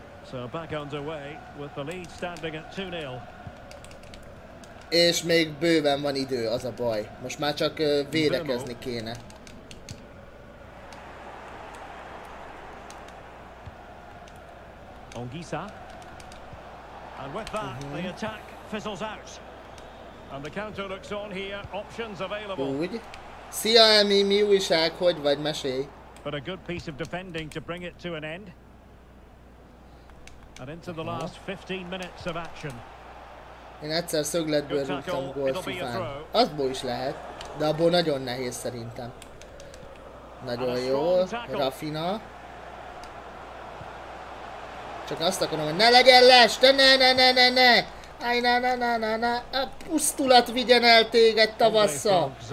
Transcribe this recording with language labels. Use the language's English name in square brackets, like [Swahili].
[English] So back underway with the lead standing at 2-0. [Hungarian] És még bőven van idő, az a baj. Most már csak védekezni kéne. Onguissa. [English] And with that, the attack fizzles out. And the counter looks on here, options available. [Hungarian] Úgy. Szia, Emi, mi újság? Hogy vagy? Mesélj. [English] But a good piece of defending to bring it to an end. And into the last 15 minutes of action. [Hungarian] Én egyszer szögletből rúgtam golfifán. Azból is lehet, de abból nagyon nehéz szerintem. Nagyon jó, Rafina. Csak azt akarom, hogy ne legyen les, te ne! Aj, ne, a pusztulat vigyen el téged tavassza!